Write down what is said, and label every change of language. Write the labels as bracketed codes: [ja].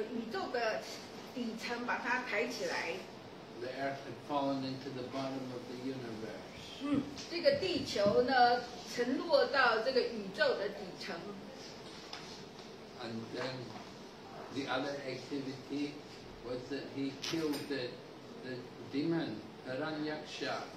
[zh] 他进行了两项活动，一个是呢，把这个地球从这个宇宙的底层把它抬起来。 [en] The earth had fallen into the bottom of the universe. [zh] 这个地球呢，沉落到这个宇宙的底层。 [en] And then the other activity was that he killed the demon Hiranyaksha.